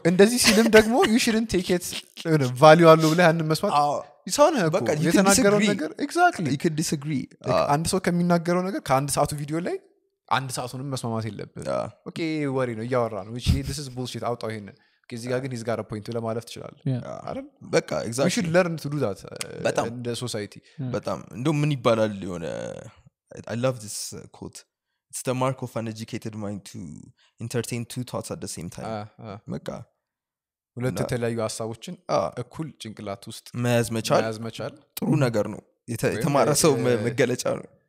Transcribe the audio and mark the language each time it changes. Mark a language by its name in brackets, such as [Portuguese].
[Amharic] እንደዚህ ሲልም ደግሞ [English] ዩ ሹድንት ቴክ ኢት ዩኖ [Amharic] ቫልዩ አለው ብለህ ያንን መስዋዕት ይሳነ በቃ የተናገረው ነገር ኤግዛክትሊ [English] ዩ ካን ዲስአግሪ [Amharic] አንድ ሰው ከሚናገረው ነገር ከአንድ ሰዓቱ ቪዲዮ ላይ አንድ ሰዓቱንም መስማማት የለብህ ኦኬ ወሪ ነው ያወራ ነው [English] which this is bullshit [Amharic] አውጣው ይሄን ከዚህ ጋር ግን [English] he's got a point [Amharic] ለማለፍ ይችላል አረን በቃ ኤግዛክትሊ [English] we should learn to do that [Amharic] እንደ ሶሳይቲ በጣም እንደው ምን ይባላል የሆነ [English] I love this quote it's the mark of an educated mind to entertain two thoughts at the same time በቃ [Amharic] ሁለት የተለያዩ ሐሳቦችን እኩል ጭንቅላት ውስጥ መያዝ መቻል ጥሩ ነገር ነው የተማረሰው መገለጫ ነው